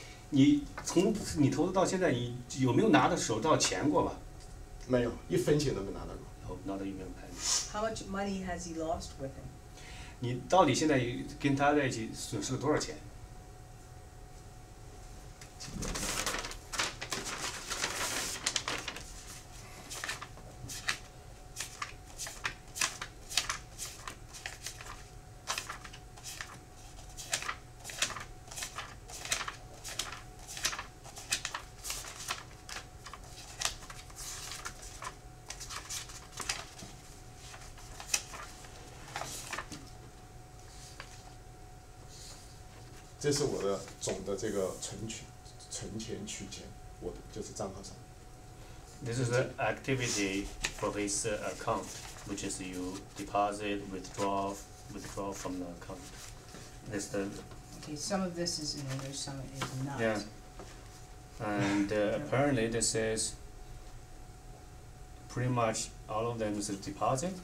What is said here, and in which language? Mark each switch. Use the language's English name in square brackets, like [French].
[Chinese] 你从你投资到现在你有没有拿到手到钱过吧？没有，一分钱都没拿到过。 [English] No, not even a penny. How much money has he lost with him? [Chinese] 你到底现在跟他在一起损失了多少钱？这是我的总的这个存钱取钱，我的就是账号上。 [English] This is the activity for his account, which is you deposit, withdraw from the account. This is the. Okay, some of this is in English, some is not. Yeah. And apparently, this is pretty much all of them is a deposit.